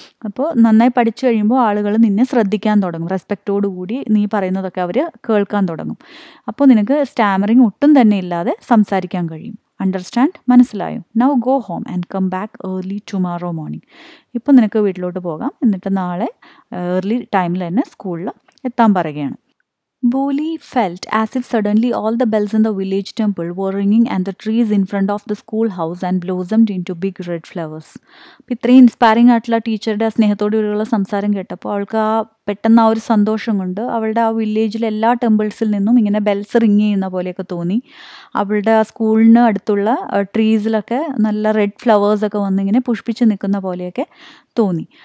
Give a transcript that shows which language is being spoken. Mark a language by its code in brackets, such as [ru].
[ml] അപ്പോൾ നന്നായി പഠിച്ചു കഴിയുമ്പോൾ ആളുകൾ നിന്നെ ശ്രദ്ധിക്കാൻ തുടങ്ങും, റെസ്പെക്റ്റോടുകൂടി നീ പറയുന്നതൊക്കെ അവർ കേൾക്കാൻ തുടങ്ങും. അപ്പോൾ നിനക്ക് സ്റ്റാമറിങ് ഒട്ടും തന്നെ ഇല്ലാതെ സംസാരിക്കാൻ കഴിയും. അണ്ടർസ്റ്റാൻഡ്? മനസ്സിലായോ? [en] Now go home and come back early tomorrow morning. [ml] ഇപ്പം നിനക്ക് വീട്ടിലോട്ട് പോകാം, എന്നിട്ട് നാളെ ഏർലി ടൈമിൽ തന്നെ സ്കൂളിൽ എത്താൻ പറയുകയാണ്. [en] Bholi felt as if suddenly all the bells in the village temple were ringing and the trees in front of the schoolhouse and blossomed into big red flowers. [ml] ഇത്രയും ഇൻസ്പയറിംഗ് ആയിട്ടുള്ള ടീച്ചറുടെ ആ സ്നേഹത്തോടുകൂടിയുള്ള സംസാരം കേട്ടപ്പോൾ അവൾക്ക് ആ പെട്ടെന്ന് ആ ഒരു സന്തോഷം കൊണ്ട് അവളുടെ ആ വില്ലേജിലെ എല്ലാ ടെമ്പിൾസിൽ നിന്നും ഇങ്ങനെ ബെൽസ് റിങ് ചെയ്യുന്ന പോലെയൊക്കെ തോന്നി. അവളുടെ ആ സ്കൂളിന് അടുത്തുള്ള ട്രീസിലൊക്കെ നല്ല റെഡ് ഫ്ലവേഴ്സൊക്കെ വന്നിങ്ങനെ പുഷ്പിച്ച് നിൽക്കുന്ന പോലെയൊക്കെ തോന്നി.